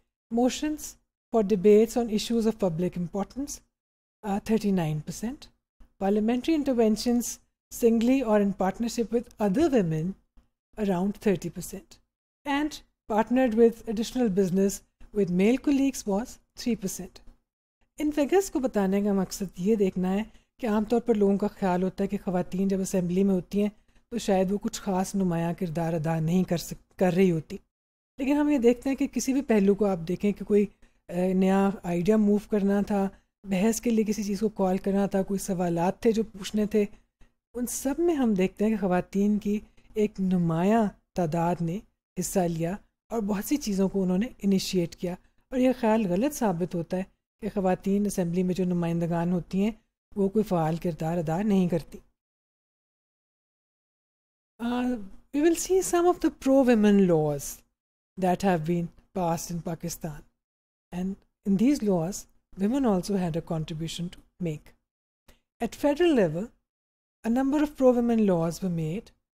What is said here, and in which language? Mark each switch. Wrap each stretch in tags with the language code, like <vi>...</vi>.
<en>Motions for debates on issues of public importance, 39%. Parliamentary interventions singly or in partnership with other women, around 30%. And partnered with additional business with male colleagues was 3%.</en> <ur>In figures ko batane ka maqsad ye dekhna hai ki aam taur par logon ka khayal hota hai ki khawateen jab assembly mein hoti hain تو شاید وہ کچھ خاص نمایاں کردار ادا نہیں کر رہی ہوتی، لیکن ہم یہ دیکھتے ہیں کہ کسی بھی پہلو کو آپ دیکھیں، کہ کوئی نیا آئیڈیا موو کرنا تھا، بحث کے لیے کسی چیز کو کال کرنا تھا، کوئی سوالات تھے جو پوچھنے تھے، ان سب میں ہم دیکھتے ہیں کہ خواتین کی ایک نمایاں تعداد نے حصہ لیا اور بہت سی چیزوں کو انہوں نے انیشیٹ کیا. اور یہ خیال غلط ثابت ہوتا ہے کہ خواتین اسمبلی میں جو نمائندگان ہوتی ہیں وہ کوئی فعال کردار ادا نہیں کرتی.</ur> <en>We will see some of the pro-women laws that have been passed in Pakistan, and in these laws women also had a contribution to make. At federal level, a number of pro-women laws were made.</en>